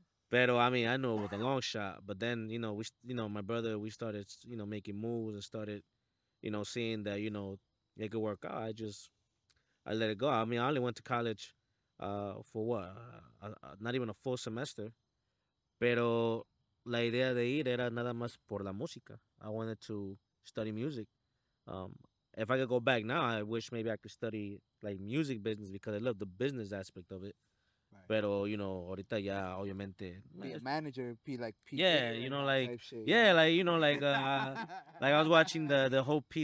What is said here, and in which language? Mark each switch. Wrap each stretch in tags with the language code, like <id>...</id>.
<en>But I knew it was a long shot. But then my brother, we started making moves and started seeing that it could work out. I let it go. I only went to college not even a full semester.</en> <es>Pero la idea de ir era nada más por la música.</es> <en>I wanted to study music. If I could go back now, I wish maybe I could study like music business because I love the business aspect of it.</en> <es>Right. Pero, ahorita ya, obviamente.</es> <en>Be a manager, be like P. Yeah, I was watching the whole P.</en>